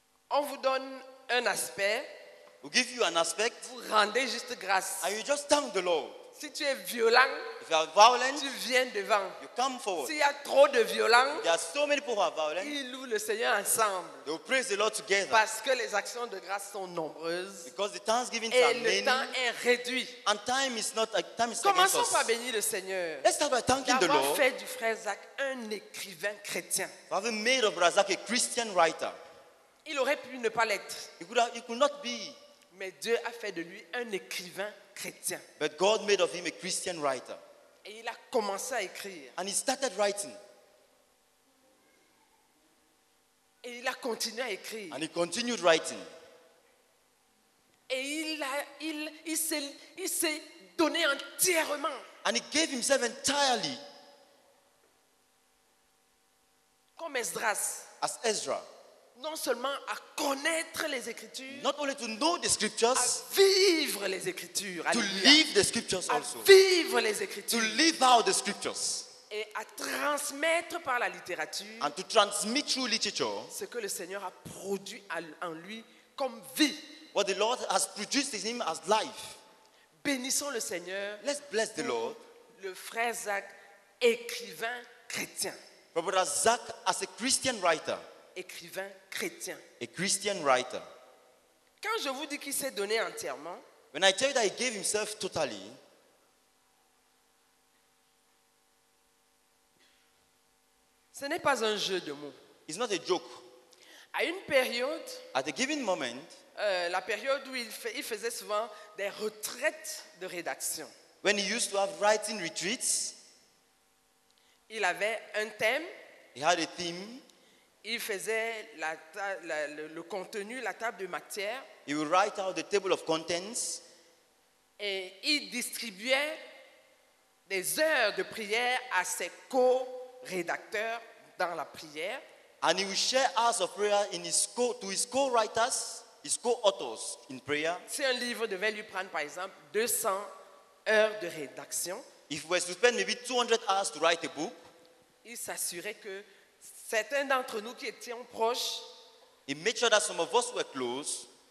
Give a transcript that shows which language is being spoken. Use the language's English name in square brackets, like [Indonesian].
[French] On vous donne un aspect. [English] We give you an aspect. [French] Vous rendez juste grâce. [English] And you just thank the Lord. [French] Si tu es violent, [English] if you are violent, [French] tu viens devant. [English] You come forward. [French] S'il y a trop de violence, [English] there are so many people who are violent. [French] Ils louent le Seigneur ensemble. [English] They will praise the Lord together. [French] Parce que les actions de grâce sont nombreuses. [English] Because the thanksgiving [French] et [English] are [French] le [English] many, [French] temps est réduit. [English] And time is not a time is [French] commençons par bénir le Seigneur. [English] Let's start by thanking the Lord. [French] Fait du frère Zach un écrivain chrétien. [English] Have made of brother Zach a Christian writer. [French] Il aurait pu ne pas l'être. [English] He could not be. [French] Mais Dieu a fait de lui un écrivain chrétien. [English] But God made of him a Christian writer. [French] Et il a commencé à écrire. [English] And he started writing. [French] Et il a continué à écrire. [English] And he continued writing. [French] Et il s'est donné entièrement. [English] And he gave himself entirely. [French] Comme Esdras. [English] As Ezra. [French] Non seulement à connaître les Écritures, [English] not only to know the scriptures, [French] à vivre les Écritures, [English] to live the scriptures also, [French] à vivre les Écritures, [English] to live out the scriptures, [French] et à transmettre par la littérature, [English] and to transmit through literature, [French] ce que le Seigneur a produit en lui comme vie. [English] What the Lord has produced in him as life. [French] Bénissons le Seigneur. [English] Let's bless the Lord. [French] Le frère Zach, écrivain chrétien. [English] Brother Zach as a Christian writer. [French] Écrivain chrétien. [English] A Christian writer. [French] Quand je vous dis qu'il s'est donné entièrement. [English] When I tell you that he gave himself totally. [French] Ce n'est pas un jeu de mots. [English] It's not a joke. [French] À une période. [English] At a given moment. [French] La période où il faisait souvent des retraites de rédaction. [English] When he used to have writing retreats. [French] Il avait un thème. [English] He had a theme. [French] Il faisait le contenu, la table de matière. [English] He would write out the table of contents. [French] Et il distribuait des heures de prière à ses co-rédacteurs dans la prière. [English] And he would share hours of prayer in his to his co-writers, his co-authors in prayer. [French] Si un livre devait lui prendre, par exemple, 200 heures de rédaction, [English] if he was to spend maybe 200 hours to write a book, [French] il s'assurait que certains d'entre nous qui étions proches, [English] he made sure that some of us were close,